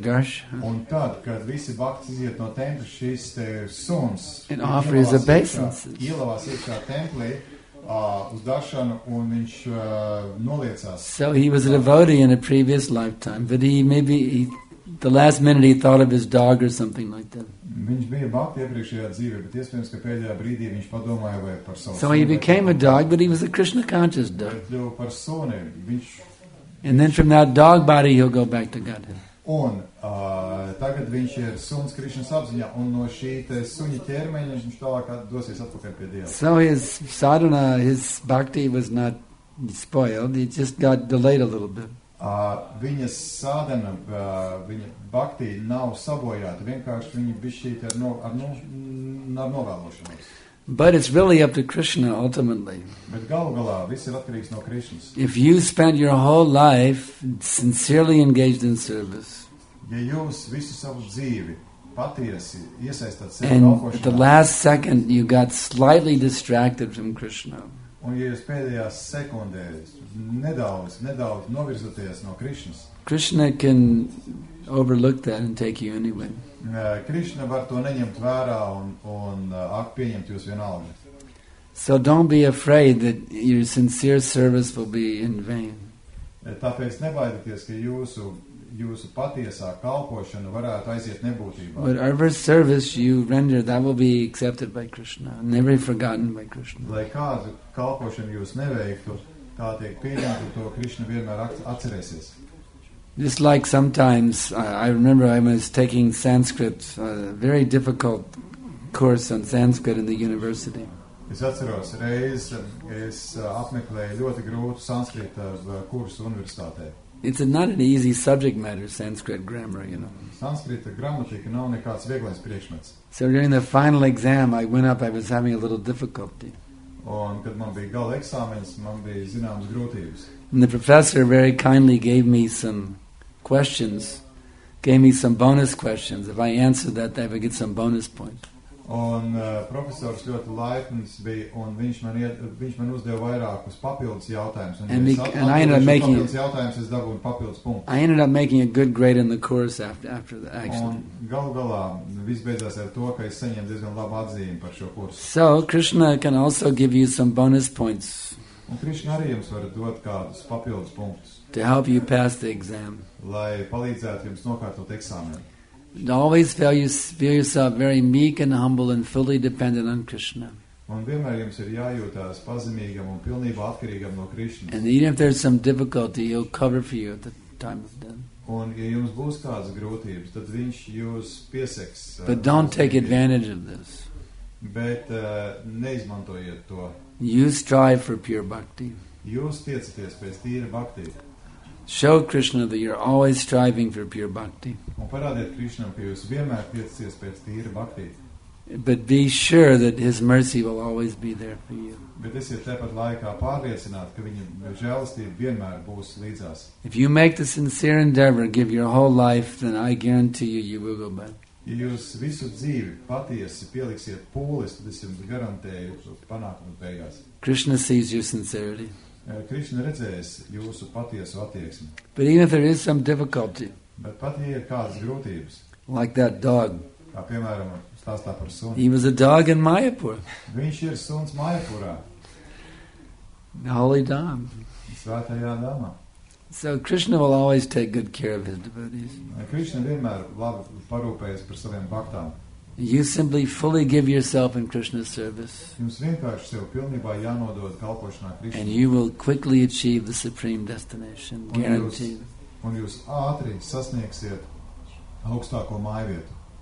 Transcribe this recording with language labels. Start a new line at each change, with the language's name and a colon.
English: darshan. And offer his obeisances. So he was a devotee in a previous lifetime, but the last minute he thought of his dog or something like that.
Latvian: Viņš bija bakti iepriekšējā dzīvē, bet iespējams, ka pēdējā brīdī viņš padomāja vai par savu sunu.
English: So he became a dog, but he was a Krishna conscious dog.
Latvian: Bet ļoti par suni, viņš...
English: And then from that dog body he'll go back to Godhead.
Latvian: Un tagad viņš ir suns Krishna apziņā, un no šī te suņa ķermeņa viņš tālāk dosies atpakaļ pie Dieva.
English: So his sadhana, his bhakti was not spoiled, he just got delayed a little bit.
Latvian: Viņa sādana, viņa bhakti nav sabojāta, vienkārši viņa bišķīta ar novēlošanos.
English: But it's really up to Krishna ultimately.
Latvian: Bet galu galā, viss ir atkarīgs no Krishnas.
English: If you spend your whole life sincerely engaged in service,
Latvian: ja jūs visu savu dzīvi patiesi iesaistāt sevi nokošanā,
English: and at the last second you got slightly distracted from Krishna,
Latvian: Un ja jūs pēdējās sekundēs nedaudz novirzoties no Krišnas.
English: Krishna can overlook that and take you anyway.
Latvian: Krishna var to neņemt vērā un pieņemt jūs vienalga.
English: So don't be afraid that your sincere service will be in vain.
Latvian: Tāpēc nebaidieties, ka jūsu patiesā kalpošana varētu aiziet nebūtībā.
English: Whatever service you render, that will be accepted by Krishna, never forgotten by Krishna.
Latvian: Lai kādu kalpošanu jūs neveiktu, tā tiek pieņemta, to Krishna vienmēr atcerēsies.
English: Just like sometimes, I remember I was taking Sanskrit, a very difficult course on Sanskrit in the university.
Latvian: Es atceros, reiz es apmeklēju ļoti grūtu Sanskrit kursu universitātē.
English: It's not an easy subject matter, Sanskrit grammar, you know.
Latvian: Sanskrita gramatika nav nekāds vieglais priekšmets.
English: So during the final exam, I went up, I was having a little difficulty.
Latvian: Un kad man bija gala eksāmens, man bija zināmas grūtības.
English: And the professor very kindly gave me some questions, gave me some bonus questions. If I answered that, I would get some bonus points.
Latvian: Un profesors ļoti laipns bija, un viņš man uzdeva vairākus papildus jautājumus.
English: I ended up making a good grade in the course after the action.
Latvian: Un gal galā viss beidzās ar to, ka es saņēmu diezgan labu atzīmi par šo kursu.
English: So Krishna can also give you some bonus points.
Latvian: Un Krišņa arī jums var dot kādus papildus punktus.
English: To help you pass the exam.
Latvian: Lai palīdzētu jums nokārtot eksāmenu.
English: Always feel yourself very meek and humble and fully dependent on Krishna.
Latvian: Un vienmēr jums ir jājūtās pazemīgam un pilnībā atkarīgam no Krišņas.
English: And even if there's some difficulty, he'll cover for you at the time of death.
Latvian: Un ja jums būs kādas grūtības, tad viņš jūs pieseks.
English: But don't take advantage of this.
Latvian: Bet neizmantojiet to.
English: You strive for pure bhakti.
Latvian: Jūs tiecaties pēc tīra bhakti.
English: Show Krishna that you're always striving for pure bhakti.
Latvian: Un parādiet Krishnam, ka jūs vienmēr tiecaties pēc tīra bhakti.
English: But be sure that his mercy will always be there for you.
Latvian: Bet esiet tepat laikā pārliecināt, ka viņa žēlastība vienmēr būs līdzās.
English: If you make the sincere endeavor, give your whole life, then I guarantee you, you will go back.
Latvian: Ja jūs visu dzīvi patiesi pieliksiet pūlis, tad es jums garantēju panākumu beigās.
English: Krishna sees your sincerity.
Latvian: Krishna redzēs jūsu patiesu attieksmi.
English: But even if there is some difficulty.
Latvian: Bet pat ja ir kādas grūtības.
English: Like that dog.
Latvian: Kā piemēram, stāstā par suni.
English: He was a dog in Mayapur.
Latvian: Viņš ir suns Mayapurā.
English: The holy dame.
Latvian: Svētajā dāmā.
English: So Krishna will always take good care of his devotees.
Latvian: Krishna vienmēr labi parūpējas par saviem bhaktām.
English: You simply fully give yourself in Krishna's service.
Latvian: Jums vienkārši sev pilnībā jānodod kalpošanā Krishna.
English: And you will quickly achieve the supreme destination, guaranteed.
Latvian: Un jūs ātri sasniegsiet augstāko mājvietu.